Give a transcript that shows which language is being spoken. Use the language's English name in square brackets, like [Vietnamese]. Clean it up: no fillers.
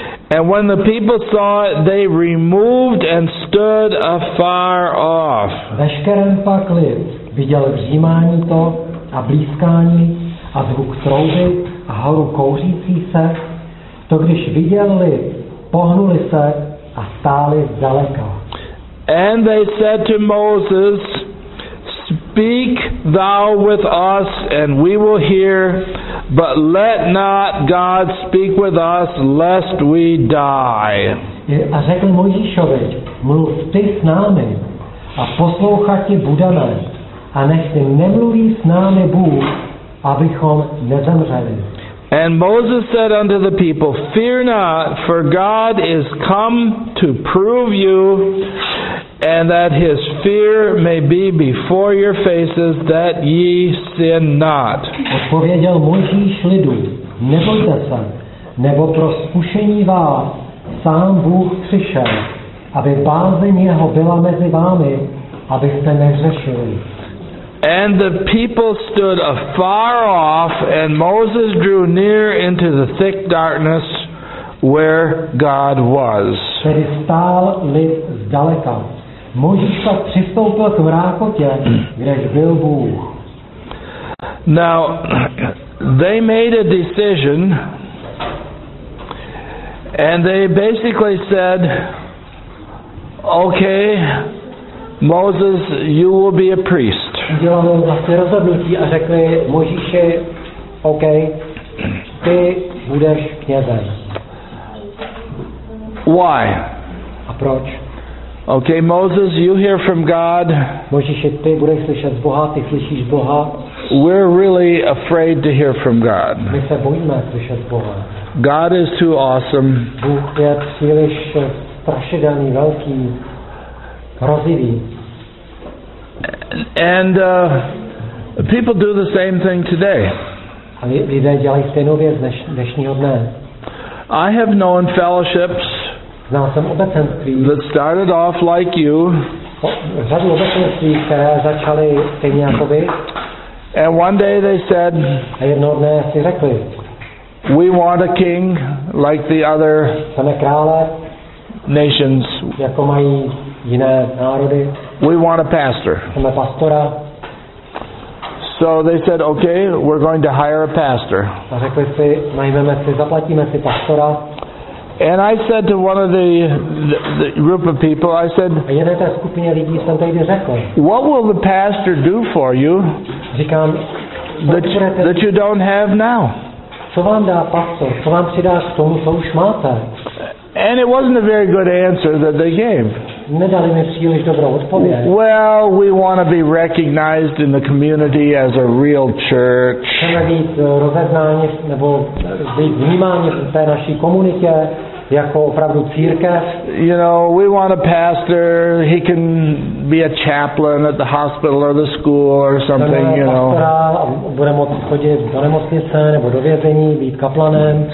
[English] And when the people saw it, they removed and stood afar off. [Czech] Veškerý pak lid viděl vřímání to a blízkání a zvuk trouby a horu kouřící se. To když viděl lid, pohnuli se a stáli zdaleka. [English] And they said to Moses, "Speak thou with us, and we will hear, but let not God speak with us, lest we die." [Czech] A řekl Mojžíšovi, mluv ty s námi, a poslouchat ti budeme, a nech ty nemluví s námi Bůh, abychom nezemřeli. [English] And Moses said unto the people, "Fear not, for God is come to prove you, and that his fear may be before your faces, that ye sin not." [Czech] Odpověděl Mojžíš lidu, nebojte se, nebo pro zkušení vás sám Bůh přišel, aby bázeň jeho byla mezi vámi, abyste nehřešili. [English] And the people stood afar off, and Moses drew near into the thick darkness where God was. [Czech] Tedy stál lid zdaleka. Mojžíš pak přistoupil k mrákotě, kdež byl Bůh. [English] Now, they made a decision, and they basically said, "Okay, Moses, you will be a priest." [Czech] Udělali vlastně rozhodnutí a řekli Mojžíši, OK, ty budeš knězem. [English] Why? [Czech] A proč? [English] Okay, Moses, you hear from God. [Czech] Mojžíši, ty budeš slyšet z Boha, ty slyšíš Boha. [English] We're really afraid to hear from God. [Czech] My se bojíme slyšet z Boha. [English] God is too awesome. [Czech] Bůh je příliš strašidelný, velký, hrozivý. [English] And people do the same thing today. [Czech] A lidé dělají stejnou věc dnešního dne. [English] I have known fellowships that started off like you. [Czech] Řadu obecenství, které začaly stejně jako vy. [English] And one day they said, [Czech] a jednou dne si řekli, [English] "We want a king like the other [Czech] krále, [English] nations. [Czech] Jako mají jiné národy. [English] We want a pastor." [Czech] Chceme pastora. [English] So they said, okay, we're going to hire a pastor. [Czech] A řekli si, najmeme si, zaplatíme si pastora. [English] And I said to one of the group of people, I said, [Czech] a jedné té skupině lidí jsem tady řekl, [English] what will the pastor do for you, [Czech] říkám, [English] that you don't have now? [Czech] Co vám dá pastor? Co vám přidá k tomu, co už máte? [English] And it wasn't a very good answer that they gave. [Czech] Nedali mi příliš dobrou odpověď. [English] Well, we want to be recognized in the community as a real church. [Czech] Chceme být rozeznáni nebo být vnímáni v té naší komunitě jako opravdu církev. [English] You know, we want a pastor, he can be a chaplain at the hospital or the school or something, you know. [Czech] Chceme pastora, bude moci chodit do nemocnice nebo do vězení, být kaplanem.